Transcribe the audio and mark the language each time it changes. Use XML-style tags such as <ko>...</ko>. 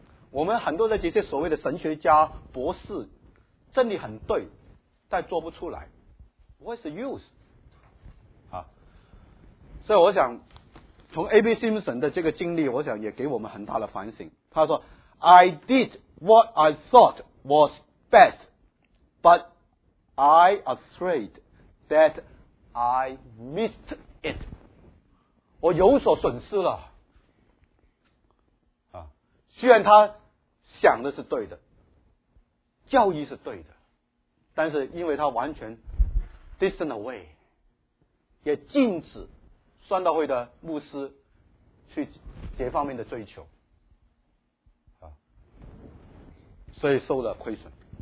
<zh>我们很多的这些所谓的神学家、博士，真理很对，但做不出来 ，</zh> <en>What's the use？</en> <zh>啊，所以我想。从 A.B. Simpson 的这个经历，我想也给我们很大的反省。他说</zh> <en>I did what I thought was best, but I afraid that I missed it.</en> <zh>我有所损失了。啊，虽然他想的是对的，教义是对的，但是因为他完全</zh> <en>distant away，</en> <zh>也禁止宣道会的牧师去这方面的追求，所以受了亏损。</zh>